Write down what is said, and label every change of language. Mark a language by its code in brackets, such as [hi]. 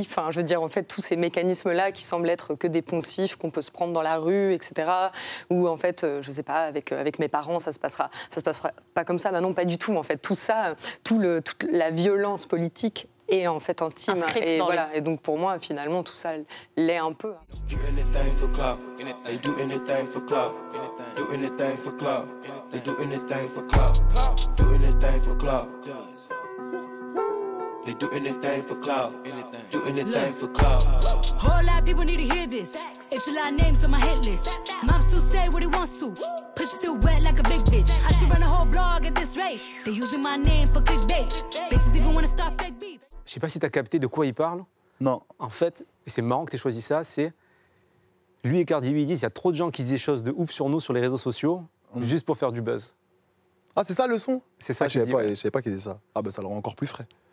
[fr] Enfin, je veux dire, en fait, tous ces mécanismes-là qui semblent être que des poncifs qu'on peut se prendre dans la rue, etc. Ou en fait, je sais pas, avec mes parents, ça se passera pas comme ça. Ben non, pas du tout. En fait, tout ça, toute la violence politique est en fait intime. Et voilà. Et donc, pour moi, finalement, tout ça l'est un peu. [en] They do anything for clout, do anything for clout. They do anything for clout, do anything for clout. Whole lot of people need to hear this. It's a lot of names on my hit list. Mom still say what he wants to. Pussy still wet like a big bitch. I should run a whole blog at this rate. They using my name for clickbait. Bitches even wanna start fake beef. [fr] Je sais pas si t'as capté de quoi il parle, Non. En fait, c'est marrant que tu aies choisi ça, c'est... Lui et Cardi B disent qu'il y a trop de gens qui disent des choses de ouf sur nous, sur les réseaux sociaux, juste pour faire du buzz. Ah, c'est ça le son ? C'est ça que je savais pas. Je savais pas qu'il disait ça. Ah ben, ça le rend encore plus frais.